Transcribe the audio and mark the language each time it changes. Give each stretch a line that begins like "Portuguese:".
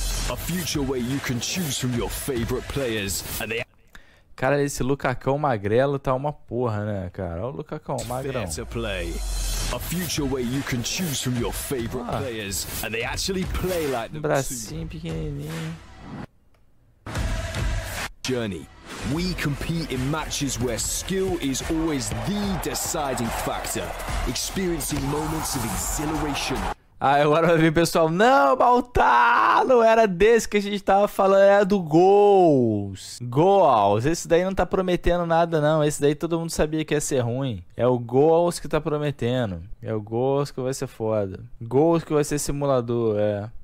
English: A future where you can choose from your favorite players and they.
Portuguese: Cara, esse Lukakão magrelo tá uma porra, né, cara? Olha o Lukakão magrão.
English: Fair to play. A future where you can choose from your favorite players and they actually play like them.
Portuguese: Bracinho pequenininho.
English: Journey. We compete in matches where skill is always the deciding factor. Experiencing moments of exhilaration.
Portuguese: Ah, agora vai vir o pessoal. Não, Baltar, não era desse que a gente tava falando. Era do Goals. Goals. Esse daí não tá prometendo nada, não. Esse daí todo mundo sabia que ia ser ruim. É o Goals que tá prometendo. É o Goals que vai ser foda. Goals que vai ser simulador, é.